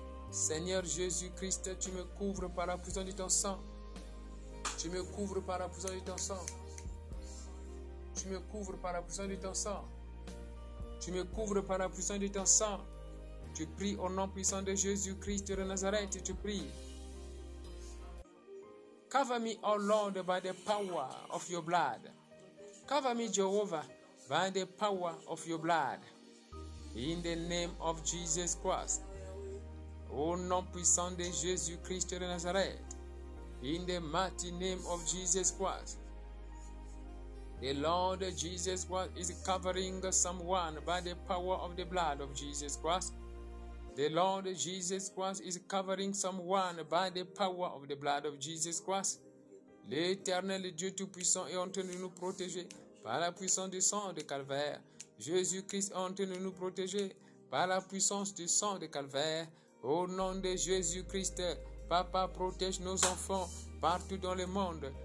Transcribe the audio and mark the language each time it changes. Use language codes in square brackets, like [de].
[fr] Seigneur Jésus-Christ, tu me couvres par la puissance de ton sang. Tu me couvres par la puissance de ton sang. Tu me couvres par la puissance de ton sang. Tu me couvres par la puissance de ton sang. Tu pries au nom puissant de Jésus-Christ de Nazareth. Tu pries. [en] Cover me, O Lord, by the power of your blood. Cover me, Jehovah, by the power of your blood. In the name of Jesus Christ. [fr] Au nom puissant de Jésus-Christ de Nazareth. [en] In the mighty name of Jesus Christ. The Lord Jesus Christ is covering someone by the power of the blood of Jesus Christ. The Lord Jesus Christ is covering someone by the power of the blood of Jesus Christ. [fr] L'Éternel Dieu Tout-Puissant est en train de nous protéger par la puissance du sang de Calvaire. Jésus-Christ est en train de nous protéger par la puissance du sang de Calvaire. Au nom de Jésus-Christ, Papa, protège nos enfants partout dans le monde.